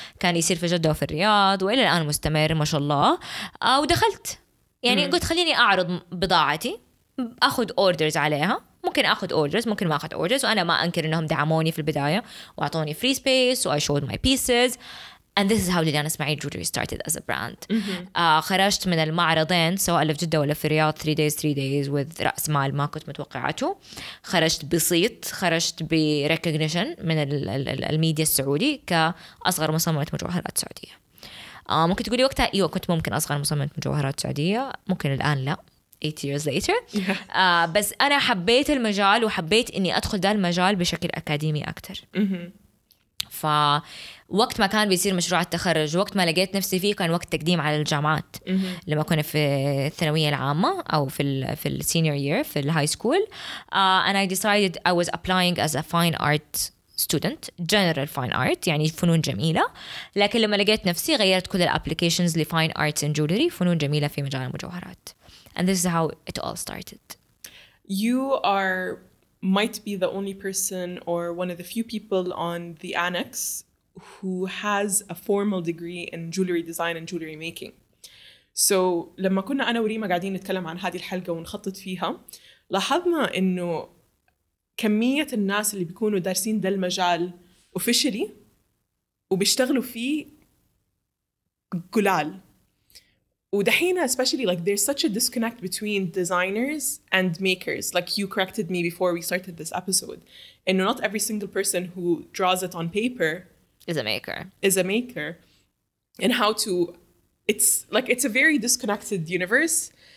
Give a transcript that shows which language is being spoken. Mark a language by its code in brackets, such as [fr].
[ar] كان يصير في جدة وفي الرياض وإلى الآن مستمر ما شاء الله. ودخلت يعني قلت خليني أعرض بضاعتي, أخذ orders عليها. ممكن أخذ orders, ممكن ما أخذ orders, وأنا ما أنكر أنهم دعموني في البداية وعطوني [en] free space, so I showed my pieces. And this is how Lillian Ismail Jewelry started as a brand. [ar] خرجت من المعرضين سواء اللي في جدة ولا في الرياض [en] 3 days 3 days with [ar] رأس مال ما كنت متوقعته. خرجت بسيط, خرجت بrecognition من الميديا السعودي كأصغر مصممة مجوهرات سعودية. ممكن تقولي وقتها أيوة كنت ممكن أصغر مصممة مجوهرات سعودية, ممكن الآن لا [en] 8 years later. [ar] بس أنا حبيت المجال وحبيت أني أدخل ده المجال بشكل أكاديمي أكتر. فوقت ما كان بيصير مشروع التخرج, وقت ما لقيت نفسي فيه كان وقت تقديم على الجامعات. لما كنا في الثانوية العامة أو في [en] السينيور يير في الهاي school, and I decided I was applying as a fine art student, general fine art, [ar] يعني فنون جميلة. لكن لما لقيت نفسي غيرت كل الابليكيشنز [en] لفاين arts and jewellery, [ar] فنون جميلة في مجال المجوهرات. [en] And this is how it all started. You are might be the only person or one of the few people on the annex who has a formal degree in jewelry design and jewelry making. [ar] So لما كنا أنا وريما قاعدين نتكلم عن هذه الحلقة ونخطط فيها, لاحظنا إنه كمية الناس اللي بيكونوا دارسين ده المجال officially وبيشتغلوا فيه قلال. ودحين [en] especially like there's such a disconnect between designers and makers, like you corrected me before we started this episode, and not every single person who draws it on paper is a maker and how to it's like it's a very disconnected universe.